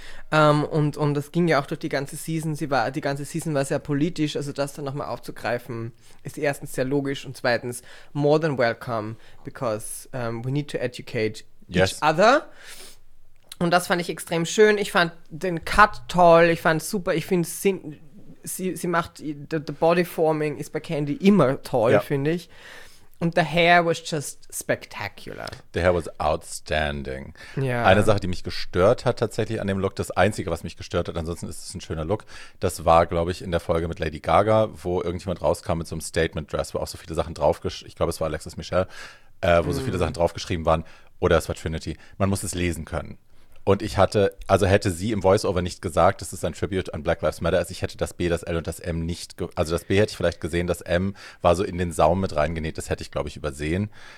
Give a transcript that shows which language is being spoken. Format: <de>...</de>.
<de>Und das ging ja auch durch die ganze Season. Die ganze Season war sehr politisch, also das dann nochmal aufzugreifen, ist erstens sehr logisch und zweitens</de> <en>more than welcome, because we need to educate each other.</en> <de>Und das fand ich extrem schön. Ich fand den Cut toll, ich fand es super, ich finde es Sie macht,</de> <en>the body forming</en> <de>ist bei Candy immer toll, finde ich.</de> <en>Und the hair was just spectacular. The hair was outstanding.</en> <de>Ja. Eine Sache, die mich gestört hat tatsächlich an dem Look, das Einzige, was mich gestört hat, ansonsten ist es ein schöner Look, das war, glaube ich, in der Folge mit Lady Gaga, wo irgendjemand rauskam mit so einem Statement-Dress, wo auch so viele Sachen draufgeschrieben, ich glaube, es war Alexis Michelle, wo so viele Sachen draufgeschrieben waren, oder es war Trinity. Man muss es lesen können. Und ich hatte, also hätte sie im Voiceover nicht gesagt, das ist ein Tribute an Black Lives Matter, also ich hätte das B, das L und das M nicht, also das B hätte ich vielleicht gesehen, das M war so in den Saum mit reingenäht, das hätte ich, glaube ich, übersehen.</de>